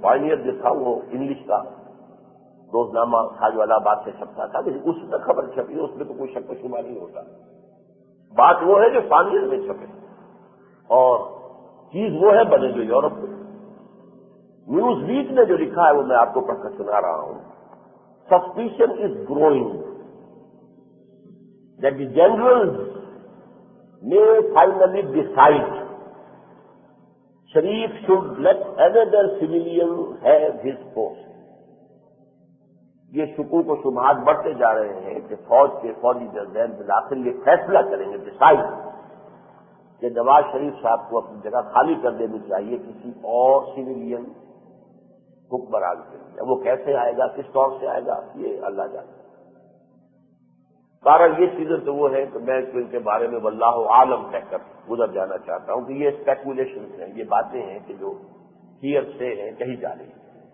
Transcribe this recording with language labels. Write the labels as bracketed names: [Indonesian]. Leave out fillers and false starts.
[Urdu] پانیئر جو تھا وہ انگلش کا روز نامہ تھا جو الہ آباد سے چھپتا تھا، لیکن اس میں خبر چھپی اس میں تو کوئی شک و شبہ نہیں ہوتا. بات وہ ہے جو پانیئر میں چھپے اور چیز وہ ہے بنے جو یورپ میں. نیوز ویک نے جو لکھا ہے وہ میں آپ کو پڑھ کر سنا رہا ہوں. [English] Suspicion is growing that the generals may finally decide Sharif should let another civilian have his post. [Urdu] یہ شکوک و شبہات بڑھتے جا رہے ہیں کہ فوج کے فوجی جرنیل بالآخر یہ فیصلہ کریں گے، ڈیسائڈ، کہ نواز شریف صاحب کو اپنی جگہ خالی کر دینی چاہیے کسی اور سیویلین حکمران کے لیے. وہ کیسے آئے گا، کس طور سے آئے گا، یہ اللہ جانے. بہرحال یہ چیزیں تو وہ ہے کہ میں تو ان کے بارے میں واللہ عالم کہہ کر گزر جانا چاہتا ہوں کہ یہ اسپیکولیشن ہیں، یہ باتیں ہیں کہ جو ہیئر سے ہیں کہی جا رہی ہیں.